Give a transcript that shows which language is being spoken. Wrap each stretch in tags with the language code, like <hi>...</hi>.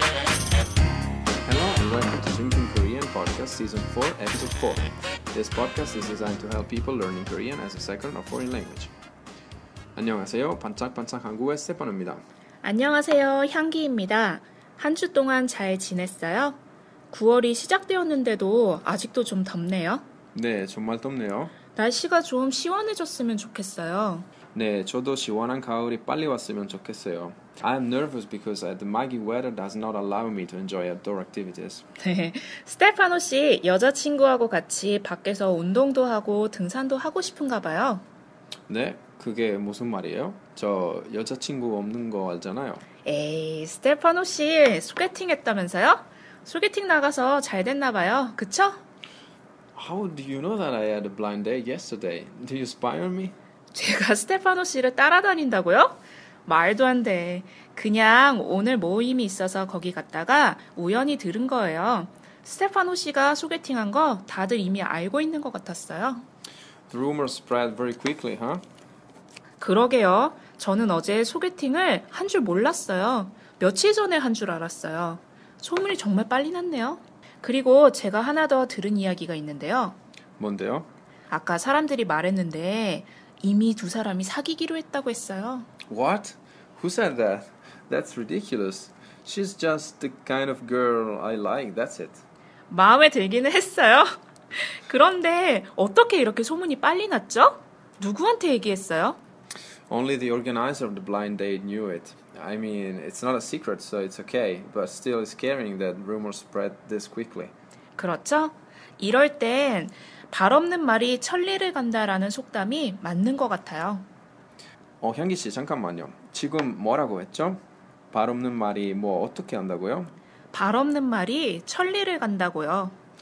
<en>Hello and welcome to Drinking Korean Podcast Season 4, Episode 4. This podcast is designed to help people learning Korean as a second or foreign language.</en> <ko>안녕하세요. 반짝반짝 한국어의 스테파노입니다. 안녕하세요. 향기입니다. 한 주 동안 잘 지냈어요? 9월이 시작되었는데도 아직도 좀 덥네요. 네, 정말 덥네요. 날씨가 좀 시원해졌으면 좋겠어요. 네, 저도 시원한 가을이 빨리 왔으면 좋겠어요.</ko> <en>I am nervous because the muggy weather does not allow me to enjoy outdoor activities.</en> <ko>네, 스테파노 씨, 여자친구하고 같이 밖에서 운동도 하고 등산도 하고 싶은가 봐요. 네, 그게 무슨 말이에요? 저 여자친구 없는 거 알잖아요. 에이, 스테파노 씨, 소개팅 했다면서요? 소개팅 나가서 잘 됐나 봐요, 그쵸?</ko> <en>How do you know that I had a blind date yesterday? Do you spy on me?</en> <ko>제가 스테파노 씨를 따라다닌다고요? 말도 안 돼. 그냥 오늘 모임이 있어서 거기 갔다가 우연히 들은 거예요. 스테파노 씨가 소개팅한 거 다들 이미 알고 있는 것 같았어요.</ko> <en>The rumor spread very quickly, huh?</en> <ko>그러게요. 저는 어제 소개팅을 한 줄 몰랐어요. 며칠 전에 한 줄 알았어요. 소문이 정말 빨리 났네요. 그리고 제가 하나 더 들은 이야기가 있는데요. 뭔데요? 아까 사람들이 말했는데 이미 두 사람이 사귀기로 했다고 했어요.</ko> <en>What? Who said that? That's ridiculous. She's just the kind of girl I like. That's it.</en> <ko>마음에 들기는 했어요. 그런데 어떻게 이렇게 소문이 빨리 났죠? 누구한테 얘기했어요?</ko> <en>Only the organizer of the blind date knew it. I mean, it's not a secret, so it's okay. But still, it's scaring that rumors spread this quickly.</en> <ko>그렇죠? 이럴 땐 발 없는 말이 천리를 간다라는 속담이 맞는 것 같아요. 향기 씨, 잠깐만요. 지금 뭐라고 했죠? 발 없는 말이 뭐 어떻게 한다고요? 발 없는 말이 천리를 간다고요.</ko>